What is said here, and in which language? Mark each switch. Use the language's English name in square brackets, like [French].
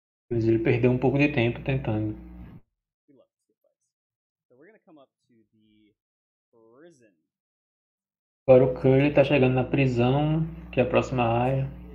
[Portuguese] Mas ele perdeu um pouco de tempo tentando. [English] We love skip fights. So we're gonna come up to the prison. [Portuguese] Agora o Curly tá chegando na prisão, que é a próxima área.